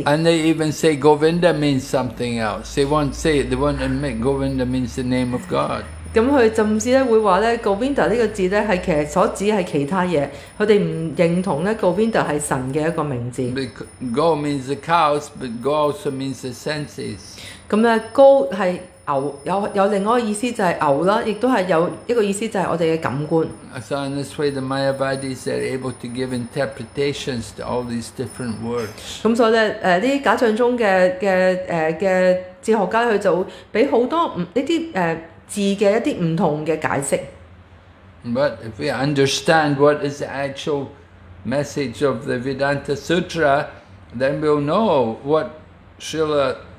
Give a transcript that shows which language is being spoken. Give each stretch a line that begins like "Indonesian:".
English: And they even say Govinda means something else. They won't admit Govinda means the name of God.
Cantonese: 咁佢甚至咧會話咧 ，Govinda 呢個字咧係其實所指係其他嘢。佢哋唔認同咧 Govinda 係神嘅一個名字。
English: Go means the cows, but go also means the senses.
Cantonese: 咁咧 ，go 係。有另外一個意思就是牛啦，亦都係有一個意思就是我哋嘅感官。
English: So in this way, the Mayavadis are able to give interpretations to all these different words.
Cantonese: 咁所以咧，啲假象中嘅哲學家佢就俾好多呢啲字嘅一啲唔同嘅解釋。
English: But if we understand what is the actual message of the Vedanta Sutra, then we'll know what Srila.